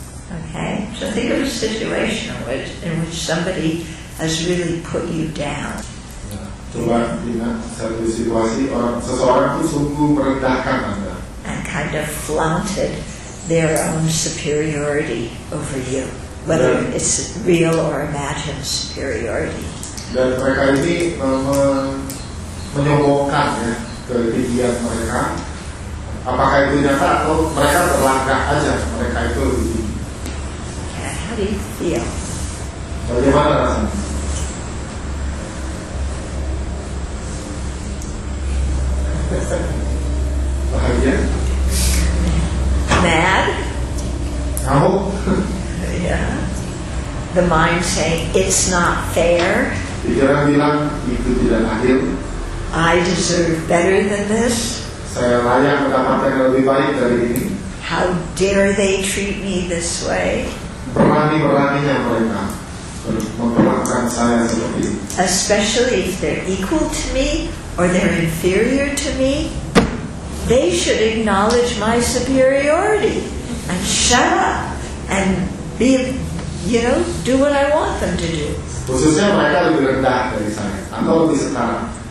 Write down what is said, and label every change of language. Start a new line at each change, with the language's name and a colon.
English: Okay, so think of a situation in which somebody has really put you down.
Indonesian: Coba ingat satu situasi orang, seseorang itu sungguh merendahkan Anda.
English: And kind of flaunted their own superiority over you, whether dan, it's real or imagined superiority.
Indonesian: Dan mereka ini menyombongkan ya ketinggian mereka. Apakah itu nyata atau mereka terlangkah aja mereka itu lebih tinggi?
English: Yeah.
Indonesian: Bagaimana rasanya? Bahagia?
English: Mad?
Indonesian: Kamu?
English: Yeah. The mind saying it's not fair.
Indonesian: Pikiran bilang itu tidak adil.
English: I deserve better than this.
Indonesian: Saya layak mendapatkan yang lebih baik dari ini.
English: How dare they treat me this way?
Indonesian: Berani-beraninya mereka memperlakukan saya seperti ini.
English: Especially if they're equal to me or they're inferior to me, they should acknowledge my superiority and shut up and be, you know, do what I want them to do.
Indonesian: Khususnya mereka lebih rendah dari saya atau lebih setara.